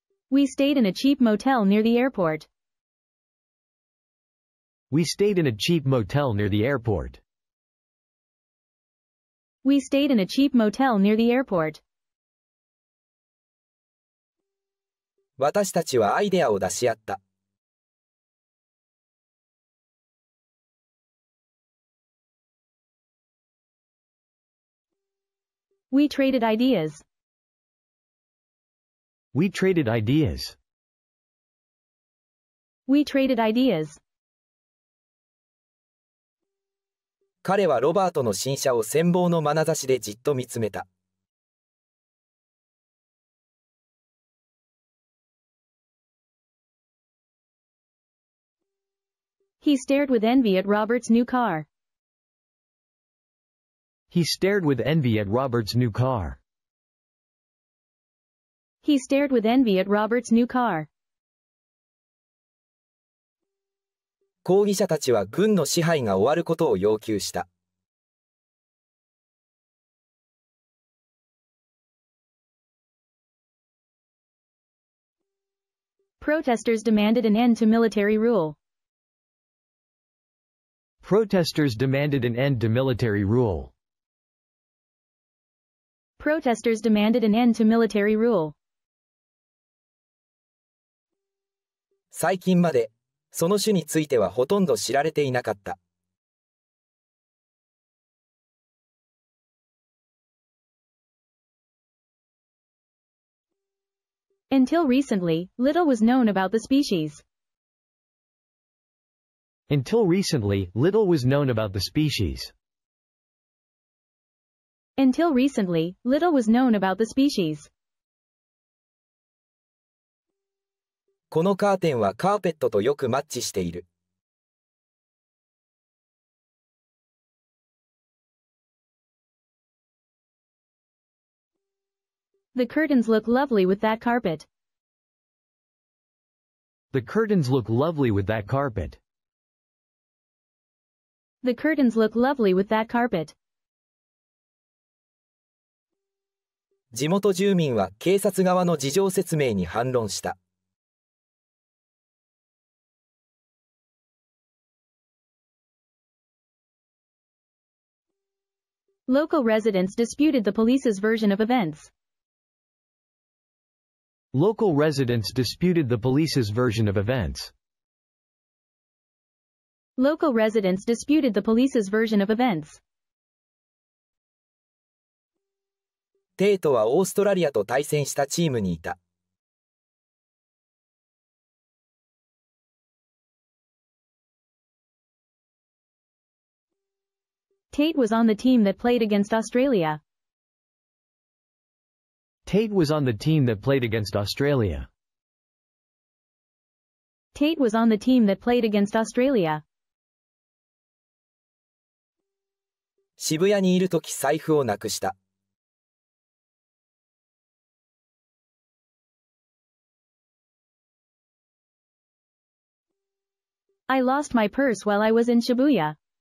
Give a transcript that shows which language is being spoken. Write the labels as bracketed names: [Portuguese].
[English] We stayed in a cheap motel near the airport. We stayed in a cheap motel near the airport. We stayed in a cheap motel near the airport. [Japanese] 私たちはアイデアを出し合った。 [English] We traded ideas. We traded ideas. We traded ideas. [Japanese] 彼はロバートの新車を羨望の眼差しでじっと見つめた。 [English] He stared with envy at Robert's new car. He stared with envy at Robert's new car. He stared with envy at Robert's new car. [Japanese] 抗議者たちは軍の支配が終わることを要求した。 [English] Protesters demanded an end to military rule. Protesters demanded an end to military rule. Protesters demanded an end to military rule. [Japanese] 最近まで、その種についてはほとんど知られていなかった。 [English] Until recently, little was known about the species. Until recently, little was known about the species. Until recently, little was known about the species. [Japanese] このカーテンはカーペットとよくマッチしている。 [English] The curtains look lovely with that carpet. The curtains look lovely with that carpet. The curtains look lovely with that carpet. [Japanese] 地元住民は警察側の事情説明に反論した。 [English] Local residents disputed the police's version of events. Local residents disputed the police's version of events. Local residents disputed the police's version of events. [Japanese] テイトはオーストラリアと対戦したチームにいた。 [English] Tate was on the team that played against Australia. Tate was on the team that played against Australia. Tate was on the team that played against Australia. [Japanese] 渋谷にいるとき財布をなくした。 [English] I lost my purse while I was in Shibuya.